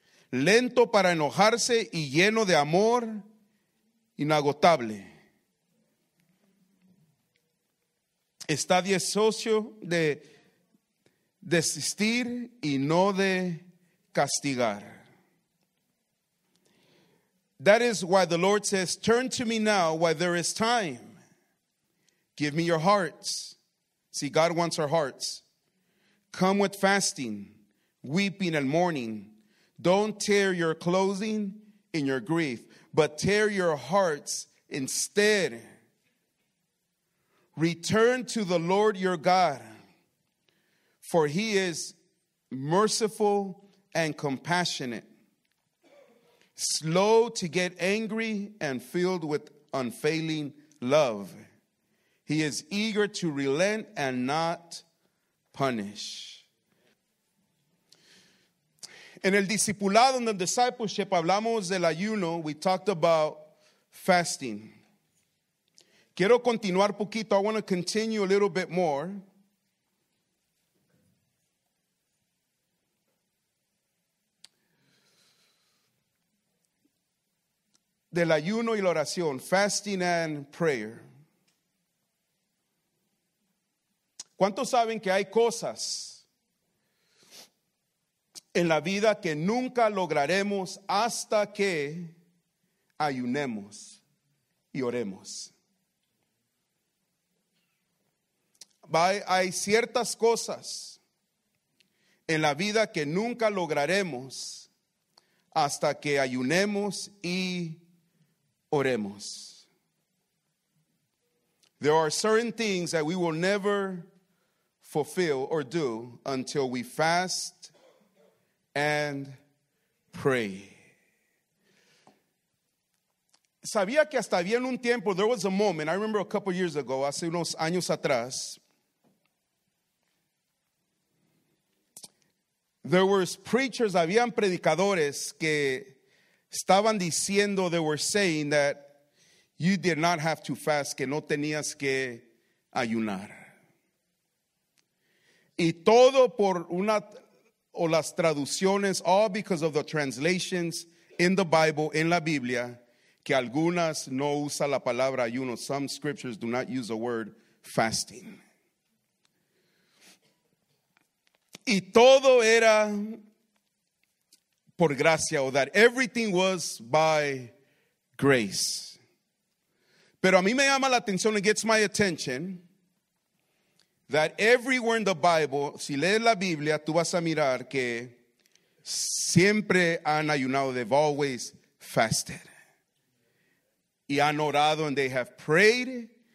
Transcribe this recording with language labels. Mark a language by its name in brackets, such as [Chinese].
[Spanish] Lento para enojarse y lleno de amor inagotable. Está deseoso de desistir y no de castigar. [English] That is why the Lord says, turn to me now while there is time. Give me your hearts. See, God wants our hearts. Come with fasting, weeping and mourning. Don't tear your clothing in your grief, but tear your hearts instead. Return to the Lord your God, for He is merciful and compassionate, slow to get angry and filled with unfailing love. He is eager to relent and not punish. [Spanish] En el discipulado, en el discipleship, hablamos del ayuno. [English] We talked about fasting. [Spanish] Quiero continuar poquito. [English] I want to continue a little bit more. [Spanish] Del ayuno y la oración. [English] Fasting and prayer. [Spanish] ¿Cuántos saben que hay cosas en la vida que nunca lograremos hasta que ayunemos y oremos? Hay ciertas cosas en la vida que nunca lograremos hasta que ayunemos y oremos. [English] There are certain things that we will never fulfill or do until we fast and pray. [Spanish] Sabía que hasta había un tiempo, [English] there was a moment, I remember a couple years ago, [Spanish] hace unos años atrás, [English] there were preachers, [Spanish] habían predicadores que estaban diciendo, [English] they were saying that you did not have to fast, [Spanish] que no tenías que ayunar. Y todo por una, o las traducciones, [English] all because of the translations in the Bible, [Spanish] en la Biblia, que algunas no usa la palabra ayuno. [English] Some scriptures do not use the word fasting. [Spanish] Y todo era por gracia, o [English] that everything was by grace. [Spanish] Pero a mí me llama la atención, [English] it gets my attention, that everywhere in the Bible, [Spanish] si lees la Biblia, tú vas a mirar que siempre han ayunado. [English] They've always fasted. [Spanish] Y han orado [English] and they have prayed.